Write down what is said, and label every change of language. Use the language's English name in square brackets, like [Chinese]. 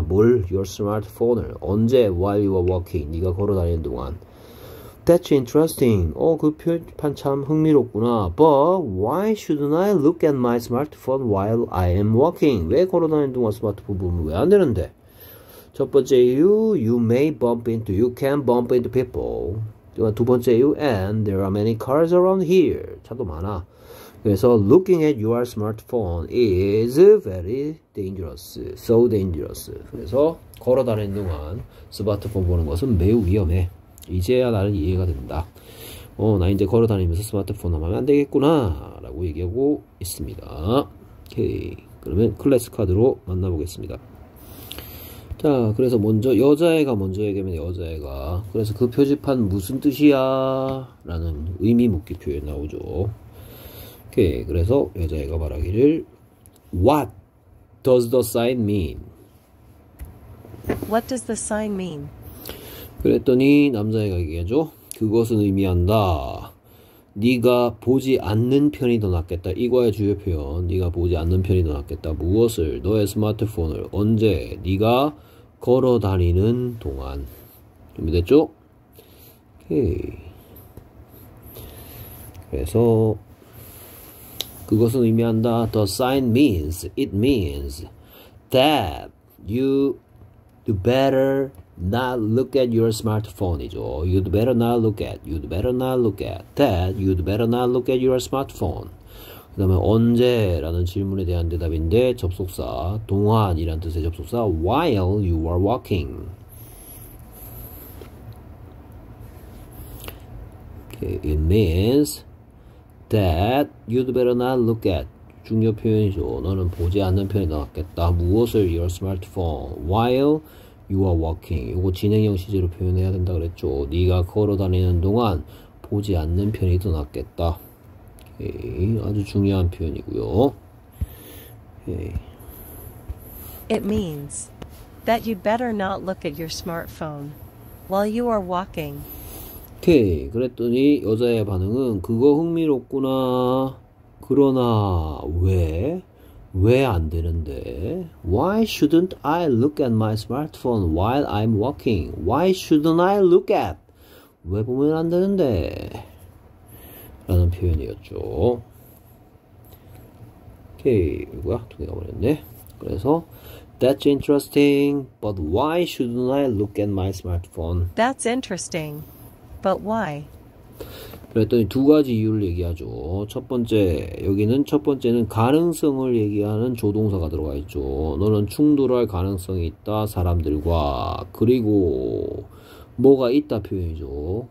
[Korean] 뭘? [English] Your smartphone을 [Korean] 언제? [English] While you were walking. [Korean] 네가 걸어 다니는 동안. [English] That's interesting. [Korean] 그 표현판 참 흥미롭구나. [English] But why shouldn't I look at my smartphone while I am walking? [Korean] 왜 걸어 다니는 동안 스마트폰 보면 왜안 되는데? 첫 번째 [English] you may bump into, you can bump into people. [Korean] 두 번째 [English] you and there are many cars around here. [Korean] 차도 많아. 그래서 [English] looking at your smartphone is very dangerous, so dangerous. [Korean] 그래서 걸어 다니는 동안 스마트폰 보는 것은 매우 위험해. 이제야 나는 이해가 된다. 나 이제 걸어 다니면서 스마트폰 하면 안 되겠구나라고 얘기하고 있습니다. 오케이, 그러면 클래스 카드로 만나보겠습니다. 자, 그래서 먼저 여자애가 먼저 얘기하면 여자애가 그래서 그 표지판 무슨 뜻이야? 라는 의미 묻기 표현 나오죠. 오케이, 그래서 여자애가 말하기를 [English] What does the sign mean? What does the sign mean? [Korean] 그랬더니 남자애가 얘기하죠. 그것은 의미한다. 네가 보지 않는 편이 더 낫겠다. 이거의 주요 표현. 네가 보지 않는 편이 더 낫겠다. 무엇을? 너의 스마트폰을 언제? 네가 걸어 다니는 동안. 준비됐죠? 오케이. 그래서 그것은 의미한다. [English] The sign means, it means that you better not look at your smartphone이죠. You'd better not look at, you'd better not look at that. You'd better not look at your smartphone. [Korean] 그 다음에 언제라는 질문에 대한 대답인데 접속사 동안이란 뜻의 접속사 [English] while you are walking. Okay, it means that you'd better not look at. [Korean] 중요 표현이죠. 너는 보지 않는 편이 낫겠다. 무엇을 [English] your smartphone while you are walking. [Korean] 이거 진행형 시제로 표현해야 된다 그랬죠. 네가 걸어 다니는 동안 보지 않는 편이 더 낫겠다. 예, 아주 중요한 표현이고요. 예. [English] It means that you better not look at your smartphone while you are walking. [Korean] 오케이. 그랬더니 여자의 반응은 그거 흥미롭구나. 그러나 왜? 왜안 되는데? [English] Why shouldn't I look at my smartphone while I'm walking? Why shouldn't I look at? [Korean] 왜 보면 안 되는데? 라는 표현이었죠. 오케이, 이거야 두 개가 버렸네. 그래서 [English] That's interesting, but why shouldn't I look at my smartphone? That's interesting, but why? [Korean] 그랬더니 두 가지 이유를 얘기하죠. 첫 번째, 여기는 첫 번째는 가능성을 얘기하는 조동사가 들어가 있죠. 너는 충돌할 가능성이 있다, 사람들과. 그리고 뭐가 있다 표현이죠.